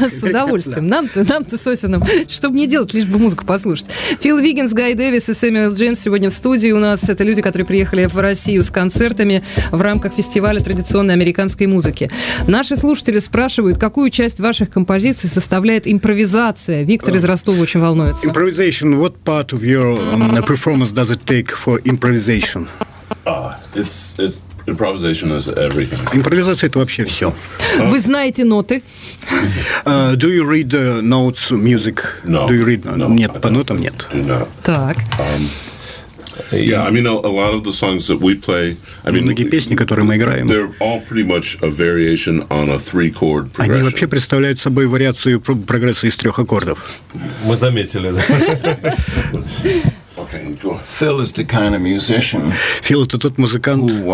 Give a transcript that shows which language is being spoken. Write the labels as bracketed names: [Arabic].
[Russian] С удовольствием, нам-то с Осином, чтобы не делать, лишь бы музыку послушать. Фил Виггинс, Гай Дэвис и Сэмюэл Джеймс сегодня в студии. У нас это люди, которые приехали в Россию с концертами в рамках фестиваля традиционной американской музыки. Наши слушатели спрашивают, какую часть ваших композиций составляет импровизация? Виктор из Ростова очень волнуется. [English] Improvisation. What part of your performance does it take for improvisation? It's improvisation is everything. [Russian] Импровизация — это вообще все. Вы знаете ноты? [English] Do you read the notes music? No. Do you read? [Russian] Нет, по нотам нет. Так. [English] Yeah, I mean a lot of the songs that we play, I mean [Russian] многие песни, которые мы играем, [English] they're all pretty much a variation on a three chord progression. [Russian] Они вообще представляют собой вариацию прогрессии из трех аккордов. Мы заметили, да. [English] Okay, go. Phil is the kind of musician. [Russian] Фил — это тот музыкант,